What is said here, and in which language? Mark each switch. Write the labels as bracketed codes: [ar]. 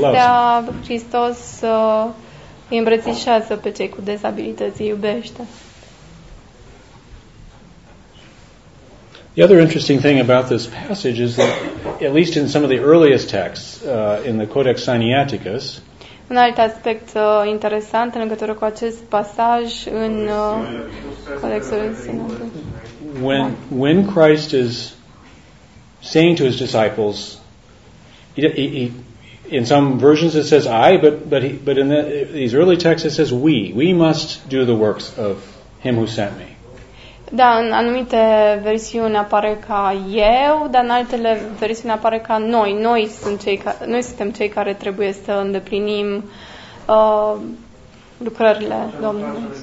[ro] Cu toate acestea, Hristos îi îmbrățișează pe cei cu dezabilități, îi iubește. [en] The other interesting thing about this passage is that, at least in some of the earliest texts, in the Codex Sinaiticus, [ro] un alt aspect interesant în legătură cu acest pasaj în Codexul Sinaiticus. [en] When Christ is saying to his disciples, he in some versions it says I, but in these early texts it says we must do the works of him who sent me. [ro] Da, în anumite versiuni apare ca eu, dar în altele versiuni apare ca noi. Noi suntem cei care trebuie să îndeplinim lucrările Domnului.